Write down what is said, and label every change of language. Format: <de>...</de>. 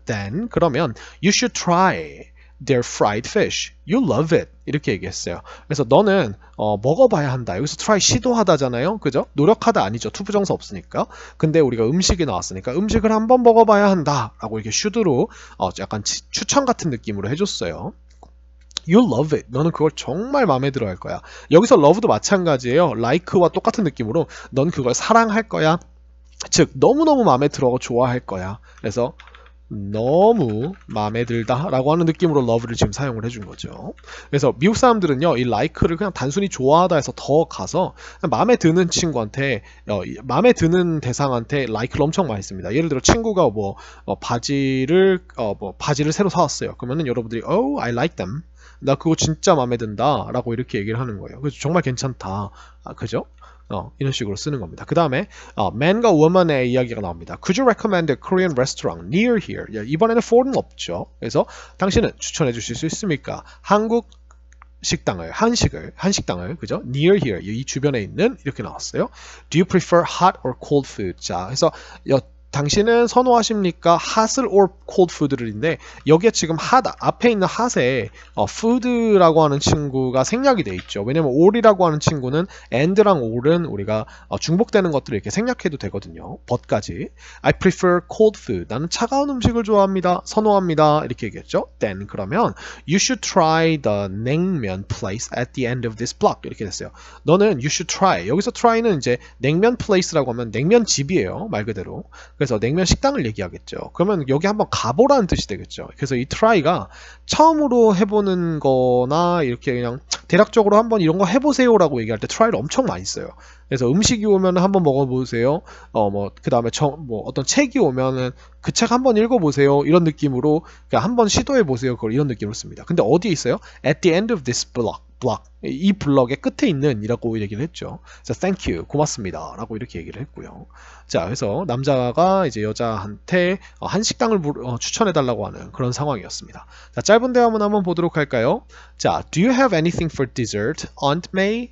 <en>Then 그러면 you should try their fried fish. You love it.</en> <ko>이렇게 얘기했어요. 그래서 너는 먹어봐야 한다. 여기서 try 시도하다잖아요. 그죠? 노력하다 아니죠. 투부정사 없으니까. 근데 우리가 음식이 나왔으니까 음식을 한번 먹어봐야 한다. 라고 이렇게 should로 약간 추천 같은 느낌으로 해줬어요.</ko> <en>You love it.</en> <ko>너는 그걸 정말 마음에 들어 할 거야. 여기서 love도 마찬가지예요. like와 똑같은 느낌으로 넌 그걸 사랑할 거야. 즉 너무너무 마음에 들어 좋아할 거야. 그래서 너무 마음에 들다 라고 하는 느낌으로 love를 지금 사용을 해준 거죠. 그래서 미국 사람들은요 이 like를 그냥 단순히 좋아하다 해서 더 가서 마음에 드는 친구한테 마음에 드는 대상한테 like를 엄청 많이 씁니다. 예를 들어 친구가 바지를 새로 사왔어요. 그러면은 여러분들이</ko> <en>oh I like them.</en> <ko>나 그거 진짜 마음에 든다 라고 이렇게 얘기를 하는 거예요. 그래서 정말 괜찮다. 그죠? 이런 식으로 쓰는 겁니다. 그 다음에 man과 woman의 이야기가 나옵니다.</ko> <en>Could you recommend a Korean restaurant near here?</en> <ko>이번에는 for는 없죠. 그래서 당신은 추천해 주실 수 있습니까? 한국 식당을, 한식당을, 그죠? near here, 이 주변에 있는 이렇게 나왔어요.</ko> <en>Do you prefer hot or cold food?</en> <ko>자, 그래서 당신은 선호하십니까? hot을 or cold food를인데 여기에 지금 hot 앞에 있는 hot에 food라고 하는 친구가 생략이 돼 있죠. 왜냐면 all이라고 하는 친구는 and랑 all은 우리가 중복되는 것들을 이렇게 생략해도 되거든요. but까지.</ko> <en>I prefer cold food.</en> <ko>나는 차가운 음식을 좋아합니다. 선호합니다. 이렇게 얘기했죠.</ko> <en>then 그러면 you should try the 냉면 place at the end of this block.</en> <ko>이렇게 됐어요. 너는 you should try. 여기서 try는 이제 냉면 place라고 하면 냉면 집이에요. 말 그대로. 그래서 냉면 식당을 얘기하겠죠. 그러면 여기 한번 가보라는 뜻이 되겠죠. 그래서 이 try가 처음으로 해보는 거나 이렇게 그냥 대략적으로 한번 이런 거 해보세요 라고 얘기할 때 try를 엄청 많이 써요. 그래서 음식이 오면 한번 먹어보세요. 그 다음에 어떤 책이 오면은 그 책 한번 읽어보세요. 이런 느낌으로 그냥 한번 시도해보세요. 그걸 이런 느낌으로 씁니다.</ko> <en>근데 어디에 있어요? At the end of this block.</en> <ko>이 블럭의 끝에 있는 이라고 얘기를 했죠. 자, thank you. 고맙습니다. 라고 이렇게 얘기를 했고요. 자, 그래서 남자가 이제 여자한테 한 식당을 추천해달라고 하는 그런 상황이었습니다. 자, 짧은 대화 문 한번 보도록 할까요? 자,</ko> <en>do you have anything for dessert, Aunt May?</en>